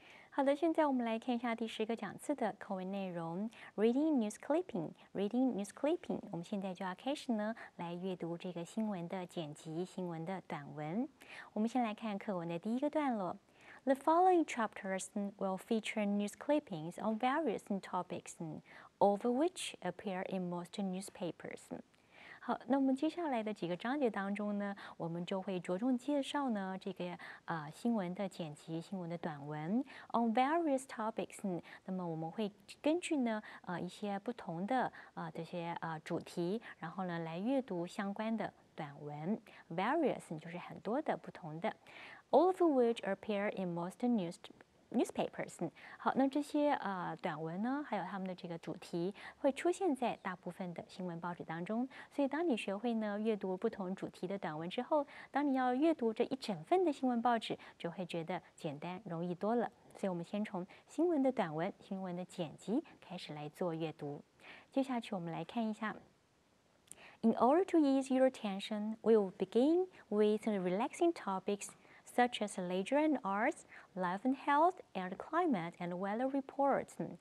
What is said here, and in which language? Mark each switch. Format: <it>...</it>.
<zh>好的，现在我们来看一下第十个讲次的口语内容 ，</zh> <en>reading news clipping，reading news clipping。</en> <zh>我们现在就要开始呢，来阅读这个新闻的剪辑、新闻的短文。我们先来看课文的第一个段落</zh> <en>，The following chapters will feature news clippings on various topics, all of which appear in most newspapers.</en> <zh>好，那我们接下来的几个章节当中呢，我们就会着重介绍呢这个新闻的剪辑、新闻的短文</zh> <en>on various topics。</en> <zh>那么我们会根据呢一些不同的这些主题，然后呢来阅读相关的短文。</zh> <en>Various</en> <zh>就是很多的、不同的</zh> <en>，all of which appear in most newspapers。</en> <zh>好，那这些短文呢，还有他们的这个主题，会出现在大部分的新闻报纸当中。所以，当你学会呢阅读不同主题的短文之后，当你要阅读这一整份的新闻报纸，就会觉得简单容易多了。所以，我们先从新闻的短文、新闻的剪辑开始来做阅读。接下去，我们来看一下。</zh> <en>In order to ease your attention, we'll begin with relaxing topics. Such as leisure and arts, life and health, and climate and weather reports.</en>